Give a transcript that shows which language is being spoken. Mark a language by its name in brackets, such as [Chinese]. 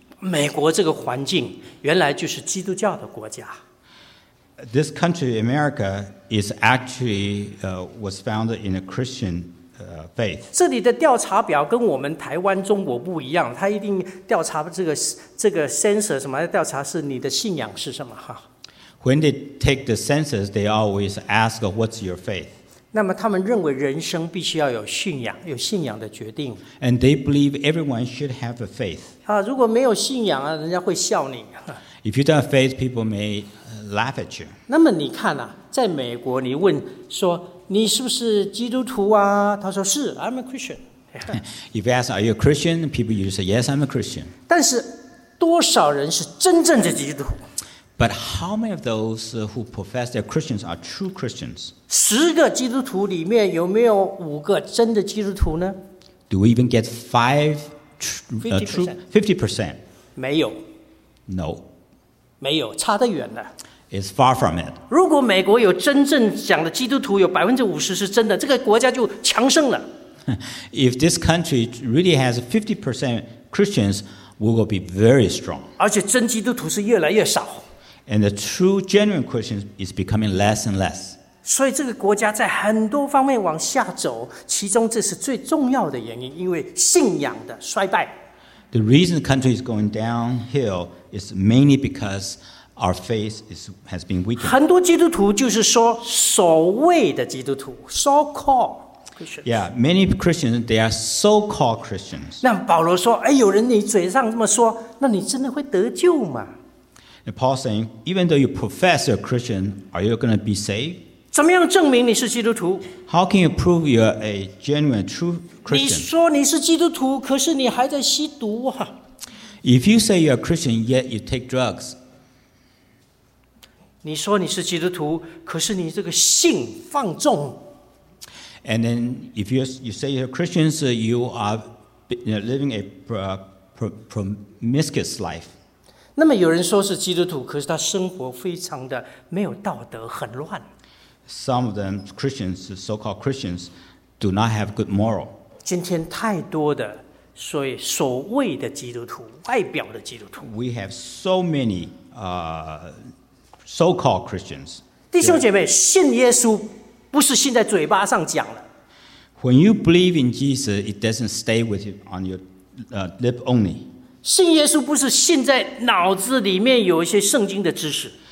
[Chinese] 美国这个环境原来就是基督教的国家。 [English] This country, America, is actually was founded in a Christian faith. [Chinese] 这里的调查表跟我们台湾中国不一样，他一定调查这个 census 什么，调查是你的信仰是什么哈。 [English] When they take the census, they always ask what's your faith. [Chinese] 那么他们认为人生必须要有信仰，有信仰的决定。 [English] And they believe everyone should have a faith. [Chinese] 啊，如果没有信仰啊，人家会笑你。 [English] If you don't have faith, people may laugh at you. [Chinese] 那么你看啊，在美国，你问说你是不是基督徒啊？他说是 ， [English] I'm a Christian. If you ask, are you a Christian? People usually say, yes, I'm a Christian. [Chinese] 但是多少人是真正的基督徒？ [English] But how many of those who profess they're Christians are true Christians? [Chinese] 十个基督徒里面有没有五个真的基督徒呢 [English] ？Do we even get five true 50%? [Chinese] 没有。 [English] No. [Chinese] 没有，差得远了。 [English] It's far from it. [Chinese] 如果美国有真正讲的基督徒有50%是真的，这个国家就强盛了。 [English] If this country really has 50% Christians, we will be very strong. [Chinese] 而且真基督徒是越来越少。 [English] And the true, genuine Christian is becoming less and less. [Chinese] 所以这个国家在很多方面往下走，其中这是最重要的原因，因为信仰的衰败。 [English] The reason the country is going downhill is mainly because our faith has been weakened. [Chinese] 很多基督徒就是说所谓的基督徒 ， [English] so-called Christians. Yeah, many Christians they are so-called Christians. [Chinese] 那保罗说，哎，有人你嘴上这么说，那你真的会得救吗？ [English] And Paul saying, even though you profess you're a Christian, are you going to be saved? [Chinese] 怎么样证明你是基督徒? [English] How can you prove you're a genuine, true Christian? [Chinese] 你说你是基督徒,可是你还在吸毒啊。 [English] If you say you're a Christian, yet you take drugs. [Chinese] 你说你是基督徒,可是你这个性放纵。 [English] And then if you say you're a Christian, so you are living a promiscuous life. [Chinese] 那么有人说是基督徒，可是他生活非常的没有道德，很乱。 [English] Some of them Christians, so-called Christians, do not have good moral. [Chinese] 今天太多的所谓的基督徒，外表的基督徒。 [English] We have so many so-called Christians. [Chinese] 弟兄姐妹，信耶稣不是信在嘴巴上讲了。 [English] When you believe in Jesus, it doesn't stay with you on your lip only. [Chinese] 信耶稣不是信在脑子里面有一些圣经的知识。